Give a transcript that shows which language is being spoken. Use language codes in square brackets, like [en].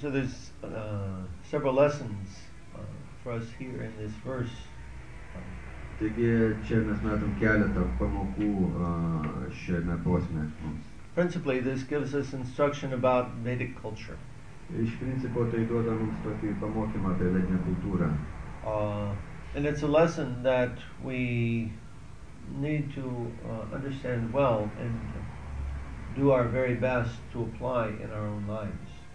[en] So there's several lessons for us here in this verse. [lt] Taigi čia mes matom keletą pamokų šiame posme mums. [en] Principally, this gives us instruction about Vedic culture. [lt] Iš principo tai duoda mums tokį pamokymą apie vedinę kultūrą. [en] And it's a lesson that we need to understand well and do our very best to apply in our own lives.